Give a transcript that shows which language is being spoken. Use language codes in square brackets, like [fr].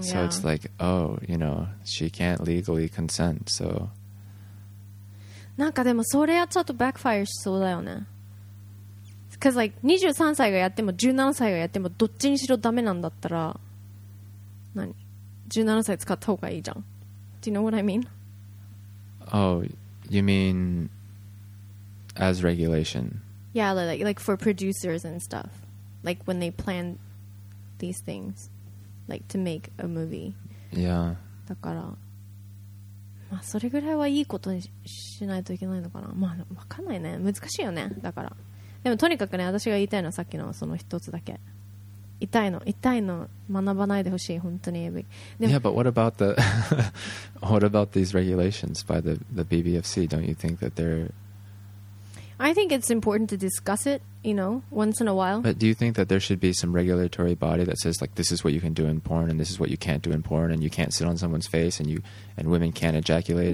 [en] So it's like, oh, you know, she can't legally consent, so. [ja] なんかでもそれはちょっとバックファイアしそうだよね。 [en] Cause like [ja] 23歳がやっても17歳がやってもどっちにしろダメなんだったら、何？17歳使った方がいいじゃん。 [en] Do you know what I mean? Oh, you mean as regulation? Yeah, like for producers and stuff. Like when they plan these things, like to make a movie. Yeah. [ja] だから。まあ、それぐらいはいいことにしないといけないのかな。まあ、わかんないね。難しいよね。だから。でも、とにかくね、私が言いたいのはさっきのその一つだけ。痛いの痛いの学ばないでほしい本当に。 [en] も Yeah, but what about the what about these regulations by the BBFC? Don't you think that they're I think it's important to discuss it, you know, once in a while. But do you think that there should be some regulatory body that says, like, this is what you can do in porn and this is what you can't do in porn and you can't sit on someone's face and you and women can't ejaculate?